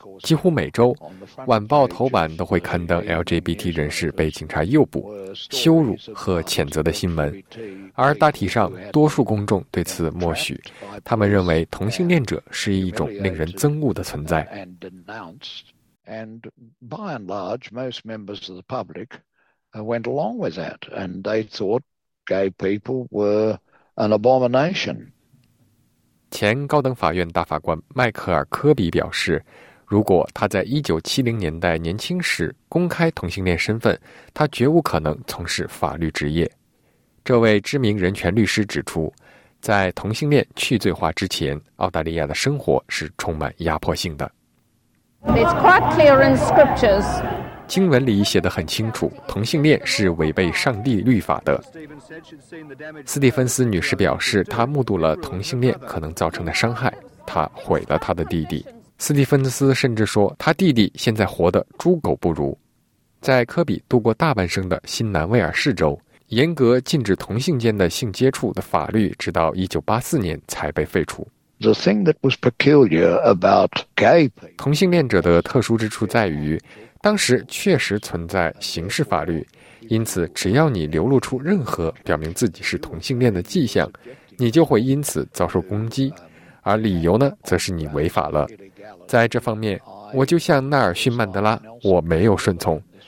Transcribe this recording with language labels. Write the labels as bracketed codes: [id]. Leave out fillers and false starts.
[zh] 几乎每周晚报头版都会刊登 LGBT 人士被警察诱捕、羞辱和谴责的新闻，而大体上多数公众对此默许，他们认为同性恋者是一种令人憎恶的存在。 [en] And by and large, most members of the public went along with that, and they thought gay people were an abomination. [zh] 前高等法院大法官迈克尔·科比表示，如果他在1970年代年轻时公开同性恋身份，他绝无可能从事法律职业。这位知名人权律师指出，在同性恋去罪化之前，澳大利亚的生活是充满压迫性的。 [en] It's quite clear in scriptures. [zh] 经文里写得很清楚，同性恋是违背上帝律法的。斯蒂芬斯女士表示，她目睹了同性恋可能造成的伤害，她毁了她的弟弟。斯蒂芬斯甚至说，她弟弟现在活得猪狗不如。在科比度过大半生的新南威尔士州，严格禁止同性间的性接触的法律，直到1984年才被废除。 [en] The thing that was peculiar about gay people. [zh] 同性恋者的特殊之处在于，当时确实存在刑事法律，因此只要你流露出任何表明自己是同性恋的迹象，你就会因此遭受攻击，而理由呢，则是你违法了。在这方面，我就像纳尔逊·曼德拉，我没有顺从。